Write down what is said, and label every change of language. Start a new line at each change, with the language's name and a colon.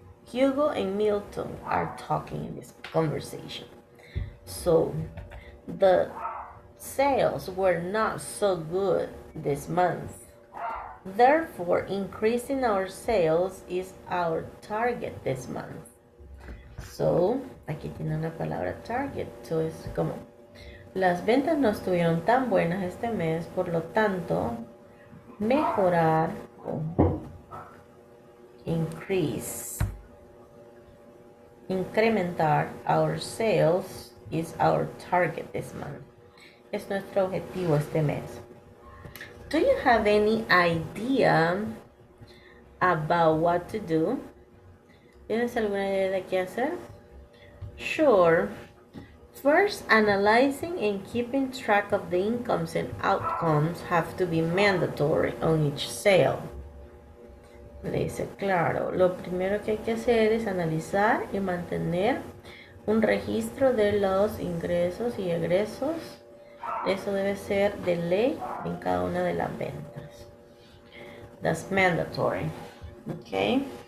English: Hugo and Milton are talking in this conversation. So, the sales were not so good this month. Therefore, increasing our sales is our target this month.
Spanish: So, aquí tiene una palabra target. So, es como, las ventas no estuvieron tan buenas este mes, por lo tanto, mejorar, increase.
English: Incrementar our sales is our target this month.
Spanish: Es nuestro objetivo este mes.
English: Do you have any idea about what to do?
Spanish: ¿Tienes alguna idea de qué hacer? Sure.
English: First, analyzing and keeping track of the incomes and outcomes have to be mandatory on each sale.
Spanish: Le dice, claro, lo primero que hay que hacer es analizar y mantener un registro de los ingresos y egresos. Eso debe ser de ley en cada una de las ventas.
English: That's mandatory. Okay.